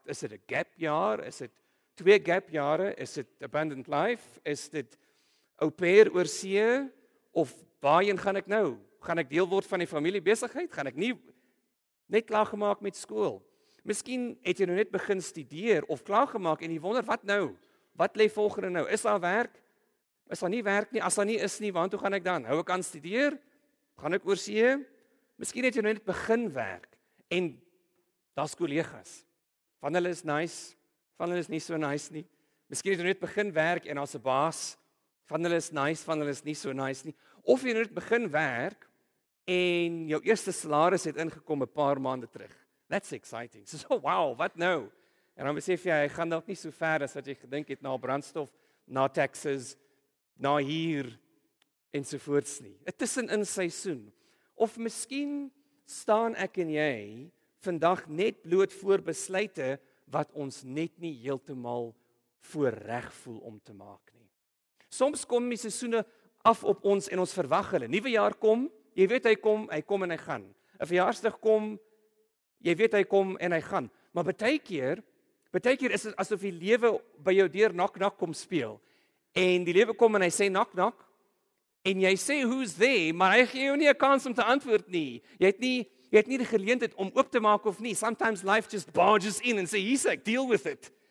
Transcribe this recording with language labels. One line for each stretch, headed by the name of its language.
Afrikaans: Is dit 'n gap jaar? Is dit 2 gapjare, is dit abandoned life, is dit au pair oor see, of waarheen gaan ek nou? Gaan ek deel word van die familiebesigheid? Gaan ek nie net klaargemaak met skool? Miskien het jy nou net begin studeer of klaargemaak en jy wonder, wat nou? Wat lê volgende nou? Is daar werk? Is daar nie werk nie? As daar nie is nie, want hoe gaan ek dan? Hou ek aan studeer? Gaan ek oor see? Miskien het jy nou net begin werk en daar's kollegas. Van hulle is nice, van hulle is nie so nice nie. Miskien het jy net begin werk en daar's 'n baas. Van hulle is nice, van hulle is nie so nice nie. Of jy het net begin werk en jou eerste salaris het ingekom 'n paar maande terug.
English: That's exciting. So,
Afrikaans: wow, wat nou? En dan besef jy, hy gaan dalk nie so ver as wat jy gedink het na brandstof, na taxes, na huur, ensovoorts nie. 'N Tussenin seisoen. Of miskien staan ek en jy vandag net bloot voor besluite wat ons net nie heeltemal voor reg voel om te maak nie. Soms kom die seisoene af op ons en ons verwag hulle. Nuwe jaar kom, jy weet hy kom en hy gaan. 'N Verjaarsdag kom, jy weet hy kom en hy gaan. Maar baie keer is dit asof die lewe by jou deur knock knock kom speel. En die lewe kom en hy sê knock knock. En jy sê
English: who's there,
Afrikaans: maar hy gee jou nie 'n kans om te antwoord nie. Jy het nie die geleentheid om oop te maak of nie.
English: Sometimes life just barges in and say he's like deal with it.